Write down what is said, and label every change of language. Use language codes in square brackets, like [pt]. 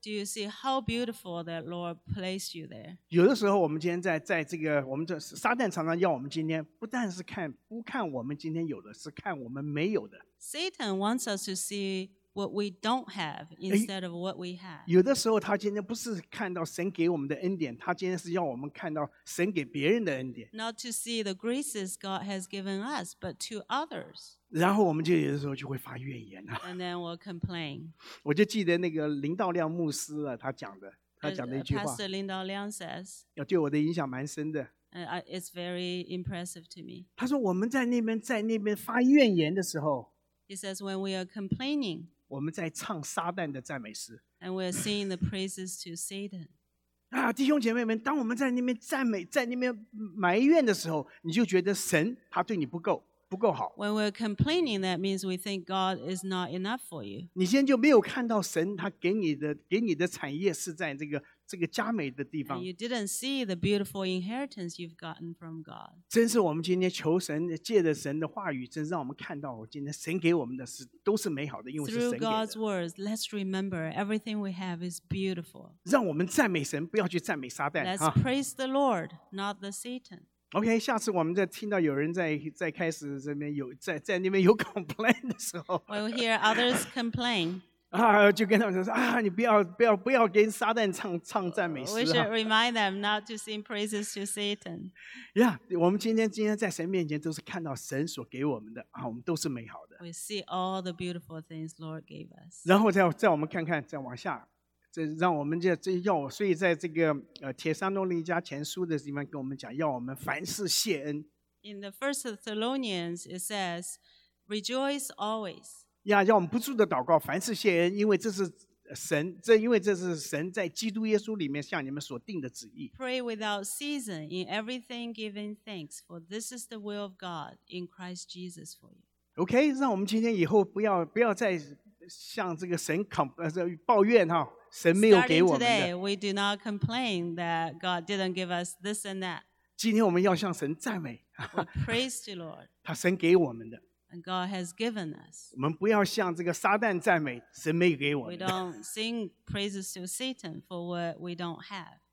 [en] ？Do you see how beautiful that Lord placed you there？ [zh] 有的时候我们今天在这个我们这撒旦常常要我们今天不但是看不看我们今天有的，是看我们没有的。 [en] Satan wants us to see what we don't have instead of what we have. [zh] 有的时候他今天不是看到神给我们的恩典，他今天是要我们看到神给别人的恩典。 [en] Not to see the graces God has given us, but to others. [zh] 然后我们就有的时候就会发怨言啊。 [en] And then we'll complain. [zh] 我就记得那个林道亮牧师啊，他讲的一句话。 [en] Pastor 林道亮 says. [zh] 对我的影响蛮深的。 [en] It's very impressive to me. [zh] 他说我们在那边发怨言的时候。 [en] He says, when we are complaining, [zh] 我们在唱撒旦的赞美诗 [en] and we are singing the praises to Satan. [zh] 啊，弟兄姐妹们，当我们在那边赞美，在那边埋怨的时候，你就觉得神他对你不够好。 [en] When we are complaining, that means we think God is not enough for you. [zh] 你现在就没有看到神他给你的产业是在这个佳美的地方。 [en] And you didn't see the beautiful inheritance you've gotten from God. [zh] 真是我们今天求神，借着神的话语，真让我们看到，今天神给我们的是都是美好的，因为是神给的。 [en] Through God's words, let's remember everything we have is beautiful. [zh] 让我们赞美神，不要去赞美撒旦。 [en] Let's praise the Lord, not the Satan. [zh] OK， 下次我们在听到有人在开始这边有在那边有 complain 的时候 [en] ，We'll hear others complain. [zh] 啊，就跟他们说啊，你不要跟撒旦唱赞美诗。 [en] We should remind them not to sing praises to Satan. [zh] Yeah， 我们今天在神面前都是看到神所给我们的啊，我们都是美好的。 [en] We see all the beautiful things Lord gave us. [zh] 然后再我们看，再往下，这让我们这要，所以在这个帖撒罗尼迦前书的地方跟我们讲，要我们凡事谢恩。 [en] In the First Thessalonians, it says, "Rejoice always." [zh] Yeah, 要我们不住的祷告，凡事谢恩，因为这是神在基督耶稣里面向你们所定的旨意。 [en] Pray without ceasing in everything, giving thanks, for this is the will of God in Christ Jesus for you. [zh] Okay, 让我们今天以后不要再向这个神抱怨哈，神没有给我们的。 [en] Starting today, we do not complain that God didn't give us this and that. [zh] 今天我们要向神赞美。 [en] We praise the Lord. [zh] 他神给我们的。 [en] And God has given us. [zh] 我们不要向这个撒旦赞美，神没给我们。 [en] We don't sing praises to Satan for what we don't have.